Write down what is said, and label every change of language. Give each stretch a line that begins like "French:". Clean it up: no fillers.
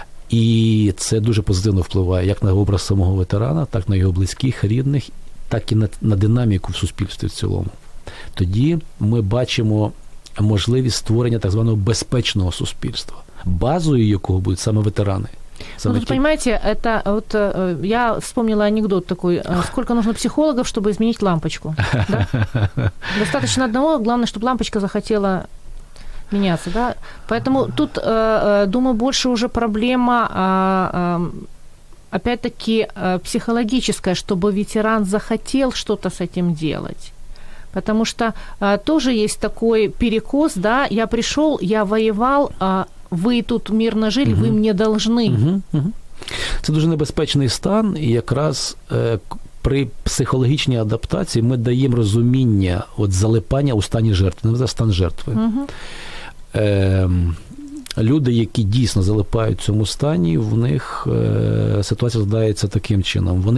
Ukrainian: І це дуже позитивно впливає як на образ самого ветерана, так на його близьких, рідних, так і на динаміку в суспільстві в цілому. Тоді ми бачимо можливість створення так званого безпечного суспільства, базою якого будуть саме ветерани.
Russian: Ну, тут, понимаете, это вот я вспомнила анекдот такой, сколько нужно психологов, чтобы изменить лампочку. Да? Достаточно одного, главное, чтобы лампочка захотела Меняться, да. Поэтому тут, думаю, больше уже проблема, опять-таки, психологическая, чтобы ветеран захотел что-то с этим делать. Потому что тоже есть такой перекос, да, я пришел, я воевал, а вы тут мирно жили, угу. Вы мне должны. Угу.
Ukrainian: Це дуже небезпечний стан, і якраз при психологічній адаптації ми даємо розуміння от залипання у стані жертви, не за стан жертви. Угу. Люди, які дійсно залипають в цьому стані, в них ситуація складається таким чином.